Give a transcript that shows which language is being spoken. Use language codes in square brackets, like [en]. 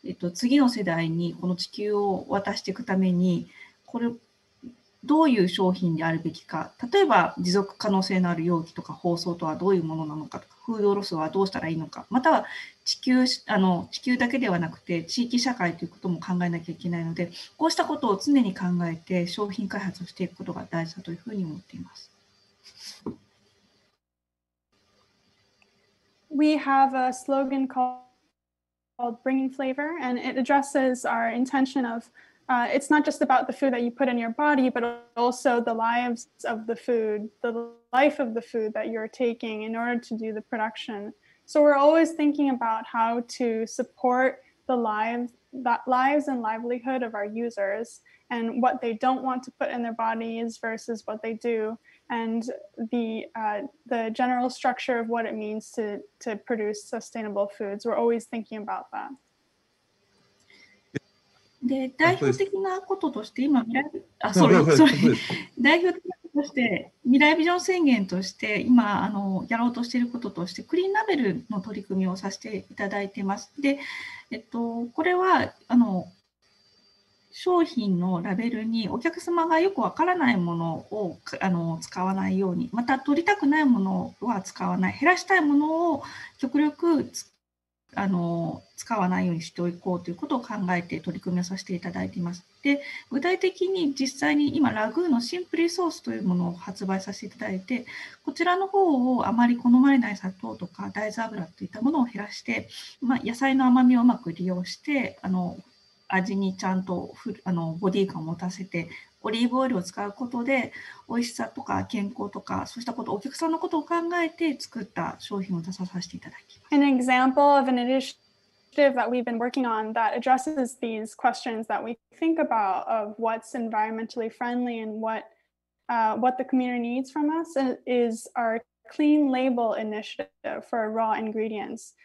[ja] 次の世代にこの地球を渡していくためにこれどういう商品であるべきか、例えば持続可能性のある容器とか包装とはどういうものなのか、フードロスはどうしたらいいのか、または地球だけではなくて地域社会ということも考えなきゃいけないので、こうしたことを常に考えて商品開発をしていくことが大事だというふうに思っています。 [en] We have a slogan called Bringing Flavor, and it addresses our intention of, it's not just about the food that you put in your body, but also the lives of the food, the life of the food that you're taking in order to do the production. So we're always thinking about how to support the lives, that lives and livelihood of our users, and what they don't want to put in their bodies versus what they do. And the general structure of what it means to produce sustainable foods. We're always thinking about that. [ja] で、代表的なこととして今、代表的なこととして未来ビジョン宣言として今やろうとしていることとしてクリーンラベルの取り組みをさせていただいてます。で、これは商品のラベルにお客様がよくわからないものを使わないように、また取りたくないものは使わない、減らしたいものを極力使わないようにしておこうということを考えて取り組みをさせていただいています。で、具体的に実際に今ラグーのシンプルソースというものを発売させていただいて、こちらの方をあまり好まれない砂糖とか大豆油といったものを減らして、まあ、野菜の甘みをうまく利用して味にちゃんとボディ感を持たせて、オリーブオイルを使うことで美味しさとか健康とかそうしたこと、お客さんのことを考えて作った商品を出させていただきます。 [en] An example of an initiative that we've been working on that addresses these questions that we think about of what's environmentally friendly and what the community needs from us is our clean label initiative for raw ingredients.